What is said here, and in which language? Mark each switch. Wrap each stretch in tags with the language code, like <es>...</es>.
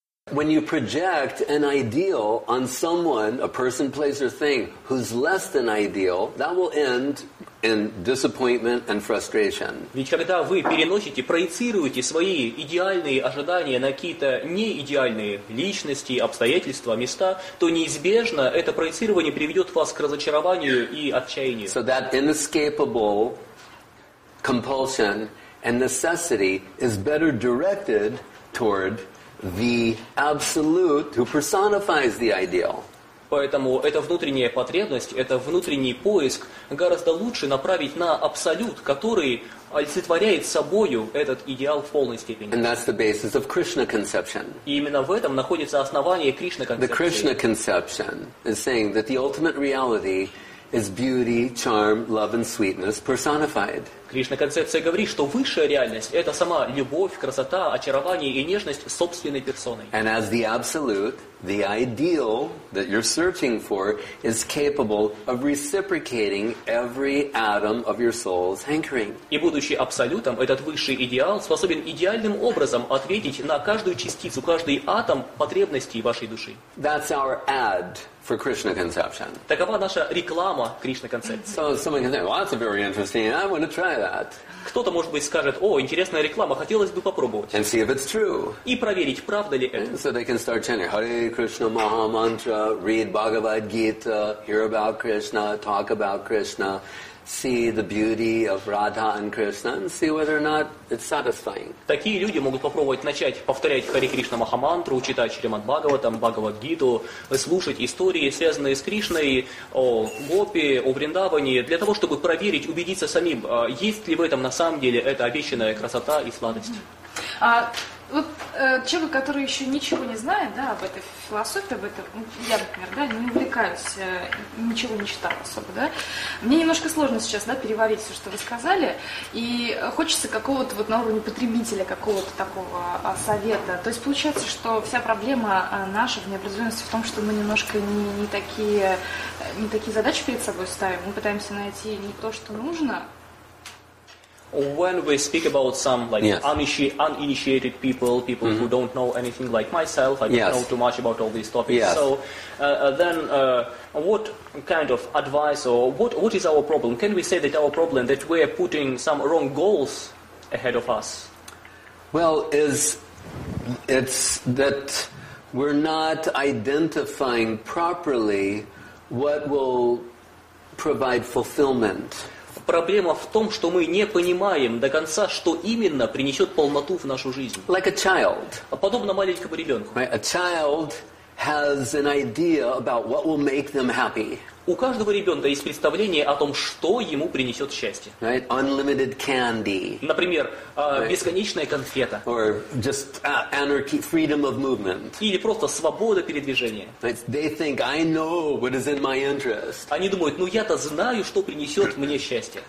<en>When you project an ideal on someone, a person, place, or thing who's less than ideal, that will end in disappointment and frustration.</en> <ru>Ведь когда вы переносите, проецируете свои идеальные ожидания на какие-то неидеальные личности, обстоятельства, места, то неизбежно это проецирование приведет вас к разочарованию и отчаянию.</ru> <en>So that inescapable compulsion and necessity is better directed toward the absolute who personifies the ideal.</en> <ru>Поэтому эта внутренняя потребность, это внутренний поиск гораздо лучше направить на абсолют, который олицетворяет собою этот идеал в полной степени.</ru> <en>And that's the basis of Krishna conception.</en> <ru>И именно в этом находится основание Кришна концепции.</ru> <en>The Krishna conception is saying that the ultimate reality is beauty, charm, love and sweetness personified.</en> <ru>Кришна концепция говорит, что высшая реальность это сама любовь, красота, очарование и нежность собственной персоной.</ru> <en>And as the absolute, the ideal that you're searching for is capable of reciprocating every atom of your soul's hankering.</en> <ru>И будучи абсолютом, этот высший идеал способен идеальным образом ответить на каждую частицу, каждый атом потребностей вашей души.</ru> <en>That's our ad for Krishna conception.</en> <ru>Такова наша реклама Кришна концепции.</ru> <en>So someone can say, well, that's very interesting. I want to try.</en> <ru>Кто-то, может быть, скажет, о, интересная реклама, хотелось бы попробовать.</ru> <en>And see if it's true.</en> <ru>И проверить, правда ли это.</ru> <en>So they can start chanting Hare Krishna Maha Mantra, read Bhagavad Gita, hear about Krishna, talk about Krishna, see the beauty of Radha and Krishna, and see whether or not it's satisfying.</en> <ru>Такие люди могут попробовать начать повторять Хари Кришна Махамантру, читать Шримад Бхагаватам, Бхагавад Гиту, слушать истории, связанные с Кришной, о Гопи, о Вриндаване, для того, чтобы проверить, убедиться самим, есть ли в этом на самом деле эта обещанная красота и сладость. Вот человек, который еще ничего не знает, да, об этой философии, об этом, я, например, да, не увлекаюсь, ничего не читала особо, да. Мне немножко сложно сейчас, да, переварить все, что вы сказали, и хочется какого-то вот на уровне потребителя какого-то такого совета. То есть получается, что вся проблема наша в необразованности в том, что мы немножко не такие задачи перед собой ставим, мы пытаемся найти не то, что нужно.</ru> <en>When we speak about some like uninitiated people, people who don't know anything like myself, I don't know too much about all these topics. Yes. So then what kind of advice or what is our problem? Can we say that our problem that we are putting some wrong goals ahead of us? Well, it's that we're not identifying properly what will provide fulfillment.</en> <ru>Проблема в том, что мы не понимаем до конца, что именно принесет полноту в нашу жизнь.</ru> <en>Like a child.</en> <ru>Подобно маленькому ребенку.</ru> <en>Right? A child has an idea about what will make them happy.</en> <ru>У каждого ребенка есть представление о том, что ему принесет счастье.</ru> <en>Right? Unlimited candy.</en> <ru>Например, бесконечная конфета.</ru> <en>Or just anarchy, freedom of movement.</en> <ru>Или просто свобода передвижения.</ru> <en>Right? They think, I know what is in my interest.</en> <ru>Они думают, ну я-то знаю, что принесет мне счастье.</ru>